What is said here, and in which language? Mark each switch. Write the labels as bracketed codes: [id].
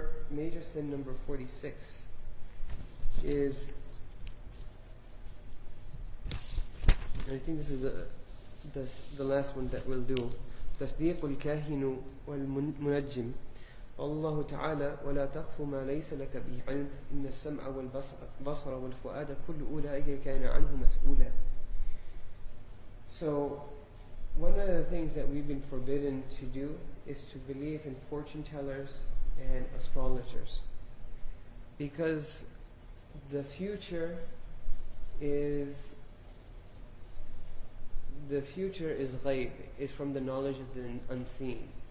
[en] Major sin number 46 is, I think this is the last one that we'll do. [ar] تصديق الكاهن والمنجم الله تعالى ولا تخف ما ليس لك به علم إن السمع والبصر والفؤاد كل أولئك كان عنه مسؤولا. [en] So one of the things that we've been forbidden to do is to believe in fortune tellers and astrologers, because the future is ghaib, is from the knowledge of the unseen.